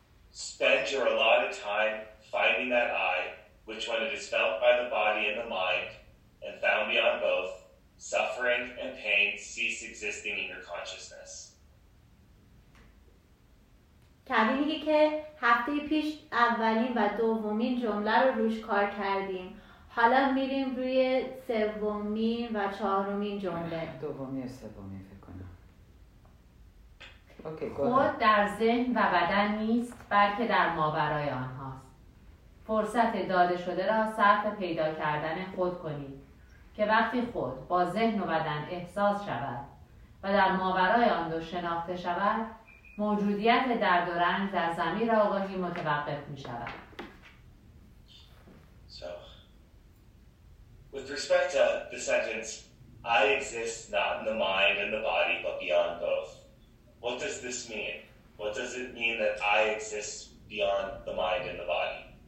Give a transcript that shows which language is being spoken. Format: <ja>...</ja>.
<en>Spend your allotted time finding that I, which when it is felt by the body and the mind, and found beyond both, suffering and pain cease existing in your consciousness.</en> <fa>کبی میگه که هفته پیش اولین و دومین جمله رو روش کار کردیم، حالا میریم روی سومین و چهارمین جمله. دومی و سومین فکر کنم. اوکی، خود در ذهن و بدن نیست، بلکه در ماورای آنهاست. فرصت داده شده را صرف پیدا کردن خود کنید که وقتی خود با ذهن و بدن احساس شود و در ماورای آن دو شناخته شود، موجودیت درد و رنج در ضمیر آگاهی متوقف می شود.</fa> <en>So, with respect to the sentence, I exist not in the mind and the body, but beyond both. What does this mean? What does it mean that I exist beyond the mind and the body?</en>